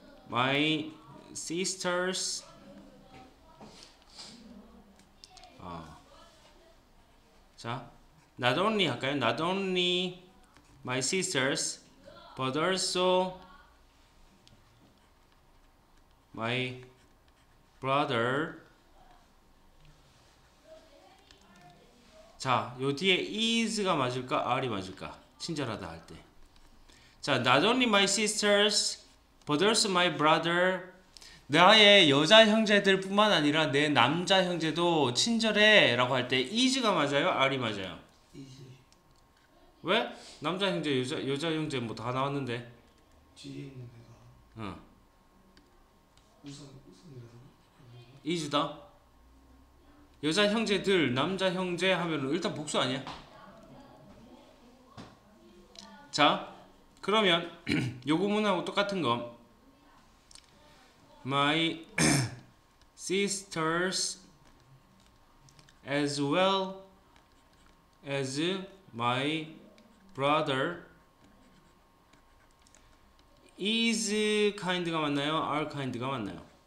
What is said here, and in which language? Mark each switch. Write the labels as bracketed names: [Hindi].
[English] My sister's 자, not only [Korean] 할까요? [English] Not only my sister's, but also my brother. [Korean] 자, 요 뒤에 is가 맞을까? are이 맞을까? 친절하다 할 때. [English] 자, not only my sisters, but also my brother. [Korean] 나의 여자 형제들뿐만 아니라 내 남자 형제도 친절해라고 할때 is가 맞아요? are이 맞아요? 왜? 남자 형제, 여자 형제 뭐다 나왔는데. 뒤에 있는 응. 우선이라서 그런 건가? is다. 여자 형제들, 남자 형제 하면 일단 복수 아니야? 자, 그러면 요 구문하고 똑같은 거. [English] My sisters as well as my brother is kind가 맞나요? are kind가 맞나요?